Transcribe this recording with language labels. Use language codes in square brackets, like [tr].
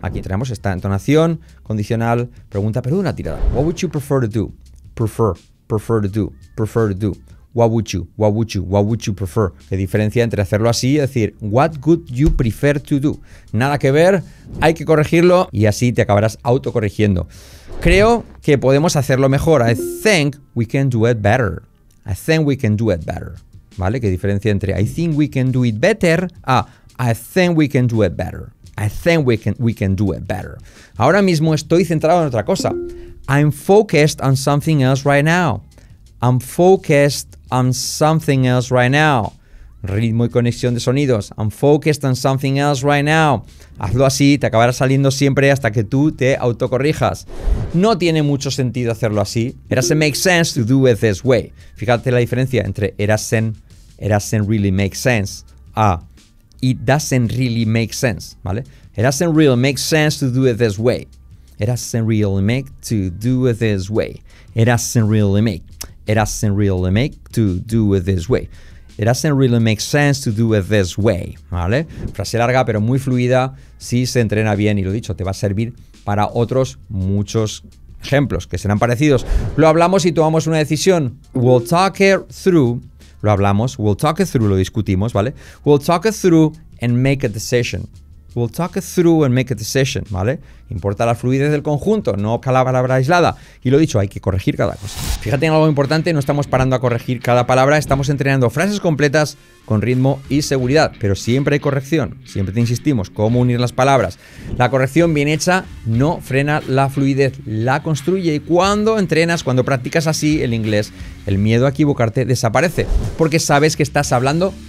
[es] Aquí tenemos esta entonación, condicional, pregunta, pero una tirada. [en] What would you prefer to do? Prefer, prefer to do, prefer to do. What would you, what would you, what would you prefer? [es] ¿Qué diferencia entre hacerlo así y decir [en] what would you prefer to do? [es] Nada que ver, hay que corregirlo y así te acabarás autocorrigiendo. Creo que podemos hacerlo mejor. [en] I think we can do it better. I think we can do it better. ¿Vale? [es] ¿Qué diferencia entre [en] I think we can do it better a I think we can do it better? I think we can do it better. [es] Ahora mismo estoy centrado en otra cosa. [en] I'm focused on something else right now. I'm focused on something else right now. [es] Ritmo y conexión de sonidos. [en] I'm focused on something else right now. [es] Hazlo así, te acabará saliendo siempre hasta que tú te autocorrijas. No tiene mucho sentido hacerlo así. [en] It doesn't make sense to do it this way. [es] Fíjate la diferencia entre [en] it doesn't really make sense a it doesn't really make sense, ¿vale? It doesn't really make sense to do it this way. It doesn't really make sense to do it this way. [es] ¿Vale? Frase larga, pero muy fluida. Si se entrena bien, y lo dicho, te va a servir para otros muchos ejemplos que serán parecidos. Lo hablamos y tomamos una decisión. [en] We'll talk it through. [es] Lo hablamos. [en] We'll talk it through. Lo discutimos, ¿vale? We'll talk it through and make a decision. We'll talk it through and make a decision, ¿vale? [es] Importa la fluidez del conjunto, no cada palabra aislada. Y lo dicho, hay que corregir cada cosa. Fíjate en algo importante, no estamos parando a corregir cada palabra, estamos entrenando frases completas con ritmo y seguridad, pero siempre hay corrección, siempre te insistimos, cómo unir las palabras. La corrección bien hecha no frena la fluidez, la construye, y cuando entrenas, cuando practicas así el inglés, el miedo a equivocarte desaparece, porque sabes que estás hablando